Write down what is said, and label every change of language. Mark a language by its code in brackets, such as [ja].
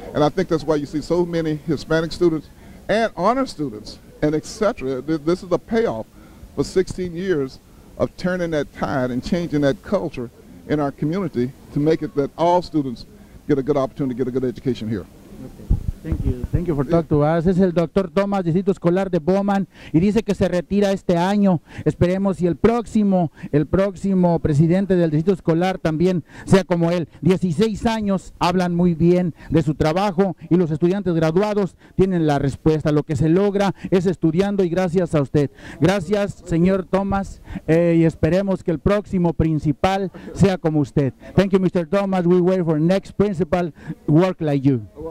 [en] And I think that's why you see so many Hispanic students and honor students and et cetera. This is a payoff for 16 years of turning that tide and changing that culture in our community to make it that all students get a good opportunity to get a good education here. Okay. Thank you. Thank you for talking to us. [es] Es el doctor Thomas, Distrito Escolar de Bowman, y dice que se retira este año. Esperemos si el próximo presidente del Distrito Escolar también sea como él. 16 años, hablan muy bien de su trabajo y los estudiantes graduados tienen la respuesta. Lo que se logra es estudiando y gracias a usted. Gracias, señor Thomas, y esperemos que el próximo principal sea como usted. [en] Thank you, Mr. Thomas. We wait for next principal work like you.